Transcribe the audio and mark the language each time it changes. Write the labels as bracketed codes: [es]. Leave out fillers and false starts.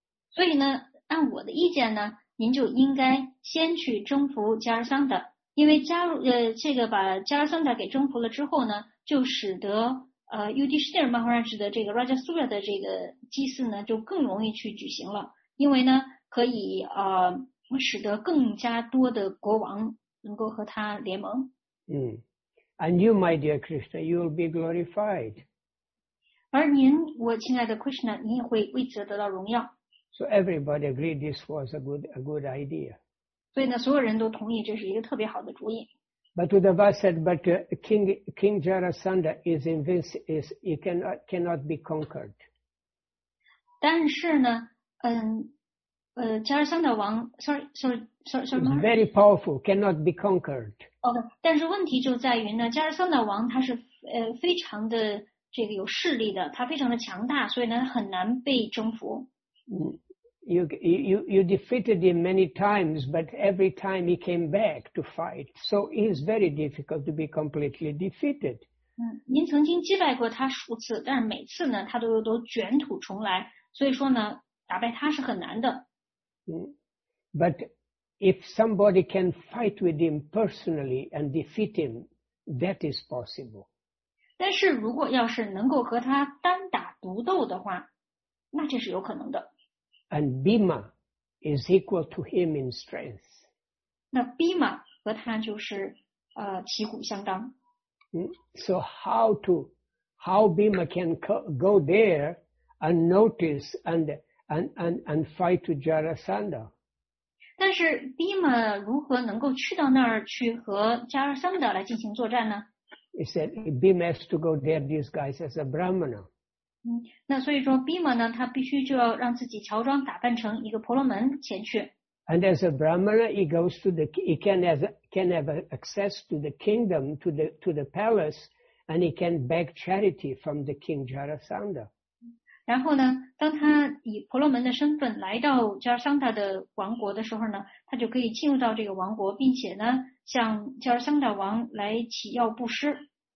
[zh] 所以呢，按我的意见呢，您就应该先去征服加尔桑达，因为加入这个把加尔桑达给征服了之后呢，就使得Yudhishthira Maharaj 的这个 Rajasuya 的这个祭祀呢就更容易去举行了，因为呢可以使得更加多的国王能够和他联盟。 [en] And you, my dear Krishna, you will be glorified. [zh] 而您，我亲爱的 Krishna, 您也会为此得到荣耀。 [en] So everybody agreed this was a good idea. [zh] 所以呢，所有人都同意这是一个特别好的主意。 [en] But Uddhava said, "But King Jarasandha is invincible; he cannot be conquered." [zh] 但是呢，Jarasandha 王 ， [en] sorry, he's very powerful, cannot be conquered. [zh] OK, 但是问题就在于呢 ，Jarasandha 王他是非常的这个有势力的，他非常的强大，所以呢很难被征服。 [en] You defeated him many times, but every time he came back to fight. So he's very difficult to be completely defeated. [zh] 您曾经击败过他数次，但是每次呢，他都卷土重来。所以说呢，打败他是很难的。 [en] But if somebody can fight with him personally and defeat him, that is possible. [zh] 但是如果要是能够和他单打独斗的话，那这是有可能的。 [en] And Bhima is equal to him in strength. [zh] 那 Bhima 和他就是旗鼓相当。 [en] So how Bhima can go there and notice and fight with Jarasandha? [zh] 但是 Bhima 如何能够去到那儿去和 Jarasandha 来进行作战呢？ [en] He said Bhima has to go there disguised as a Brahmana. [zh] 那所以说 Bhima 呢，他必须就要让自己乔装打扮成一个婆罗门前去。 [en] And as a Brahmana, he goes to the, he can as can have access to the kingdom, to the palace, and he can beg charity from the king Jarasandha. [zh] 然后呢，当他以婆罗门的身份来到 Jarasandha 的王国的时候呢，他就可以进入到这个王国，并且呢，向 Jarasandha 王来乞要布施。